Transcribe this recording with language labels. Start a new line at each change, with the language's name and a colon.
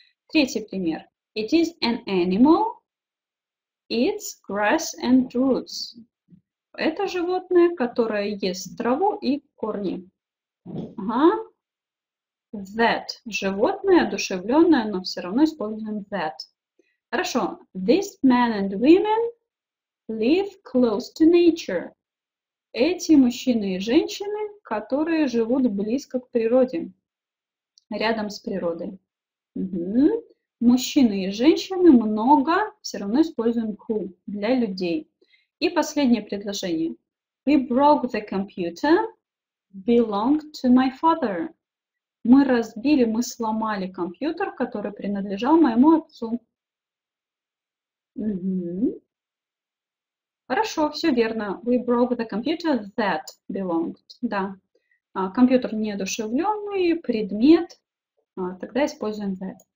Russian: Третий пример.
English: It is an animal. Eats grass and roots.
Russian: Это животное, которое ест траву и корни. Ага.
English: That.
Russian: Животное, одушевленное, но все равно используем that. Хорошо.
English: These men and women live close to nature.
Russian: Эти мужчины и женщины, которые живут близко к природе, рядом с природой. Угу. Мужчины и женщины много, все равно используем who для людей. И последнее предложение.
English: We broke the computer, belonged to my father.
Russian: Мы разбили, мы сломали компьютер, который принадлежал моему отцу. Хорошо, все верно.
English: We broke the computer that belonged.
Russian: Да. Компьютер неодушевленный, предмет. Тогда используем that.